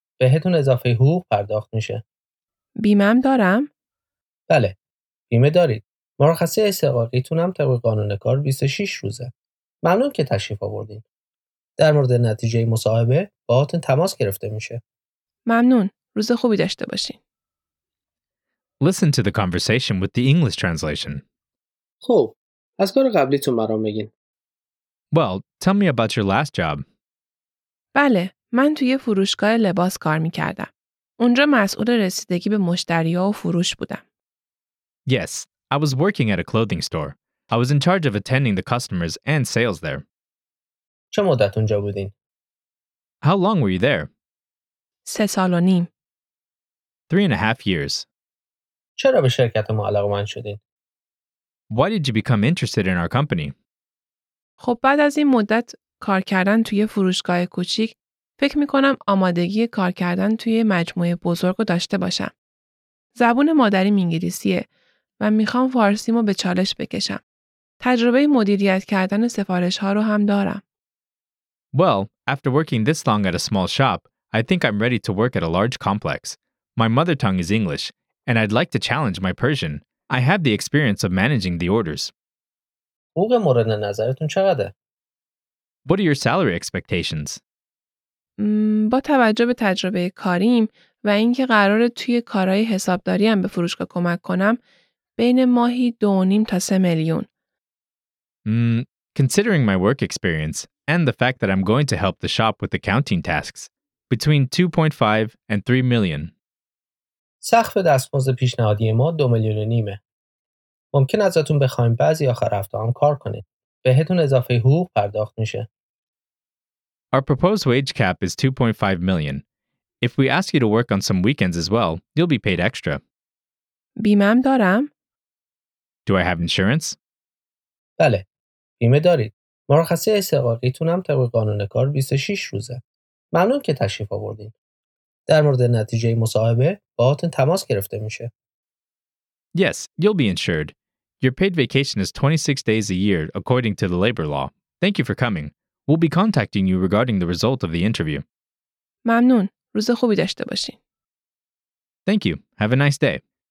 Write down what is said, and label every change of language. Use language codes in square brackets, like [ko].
[fa] بهتون اضافه حقوق پرداخت میشه. بیمه هم دارم؟ بله، بیمه دارید. مرخصی استقاقیتون هم طبق قانون کار 26 روزه. ممنون که تشریف آوردین. در مورد نتیجه مصاحبه باهاتون تماس گرفته میشه. ممنون. روز خوبی داشته باشین. [en] Listen to the conversation with the English translation. [fa] خوب. از کار قبلیتون برام بگین. [en] Well, tell me about your last job. [fa] بله. من توی فروشگاه لباس کار میکردم. اونجا مسئول رسیدگی به مشتری ها و فروش بودم. [en] Yes. I was working at a clothing store. I was in charge of attending the customers and sales there. [fa] چه مدت اونجا بودین؟ [en] How long were you there? [fa] 3.5 سال. [en] 3.5 years. [fa] چرا به شرکت ما علاقه‌مند شدین؟ [en] Why did you become interested in our company? [fa] خب بعد از این مدت کار کردن توی فروشگاه کوچیک، فکر می‌کنم آمادگی کار کردن توی مجموعه بزرگ رو داشته باشم. زبون مادریم انگلیسیه. و میخوام فارسیمو به چالش بکشم. تجربه مدیریت کردن سفارش ها رو هم دارم. [en] Well, after working this long at a small shop, I think I'm ready to work at a large complex. My mother tongue is English, and I'd like to challenge my Persian. I have the experience of managing the orders. [fa] حقوق مورد نظرتون چقدره؟ [en] What are your salary expectations? [fa] با توجه به تجربه کاریم و اینکه قراره توی کارهای حسابداری هم به فروشگاه کمک کنم، بین ماهی 2.5 تا 3 میلیون. [en] Considering my work experience and the fact that I'm going to help the shop with accounting tasks, between 2.5 and 3 million. [fa] سقف دستمزد پیشنهادی ما 2.5 میلیونه. ممکن ازتون بخوایم بعضی آخر هفته هم کار کنید. بهتون اضافه حقوق پرداخت میشه. [en] Our proposed wage cap is 2.5 million. If we ask you to work on some weekends as well, you'll be paid extra. [fa] بیمه هم دارم؟ [en] Do I have insurance? [fa] بله. بیمه دارید. مرخصی استقاقیتون هم طبق قانون کار 26 روزه. ممنون که تشریف آوردین. در مورد نتیجه مصاحبه باهاتون تماس گرفته میشه. [en] Yes, you'll be insured. Your paid vacation is 26 days a year according to the labor law. Thank you for coming. We'll be contacting you regarding the result of the interview. [fa] ممنون. روز خوبی داشته باشین. [en] Thank you. Have a nice day.